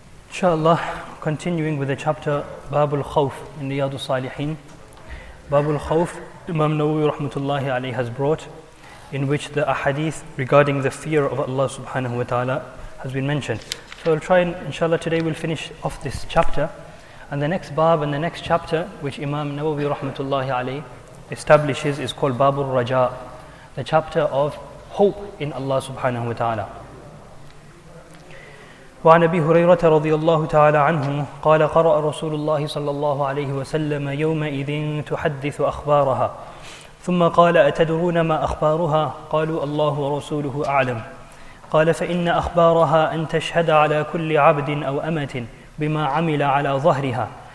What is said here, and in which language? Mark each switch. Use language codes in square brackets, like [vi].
[en] إن شاء الله continuing with the chapter [ar] باب الخوف من رياض الصالحين باب الخوف إمام نووي رحمة الله عليه [en] has brought in which the ahadith regarding the fear of Allah subhanahu wa ta'ala has been mentioned. So we'll try and inshallah today we'll finish off this chapter. And the next bab and the next chapter which Imam Nawawi rahmatullahi alayhi establishes is called Babur Raja, the chapter of hope in Allah subhanahu wa ta'ala. [ar] وعن أبي هريرة رضي الله تعالى عنه قال قرأ رسول الله صلى الله عليه وسلم يومئذ تحدث أخبارها ثم قال أتدرون ما أخبارها؟ قالوا الله ورسوله أعلم. قال فإن أخبارها أن تشهد على كل عبد أو أمة بما عمل على ظهرها.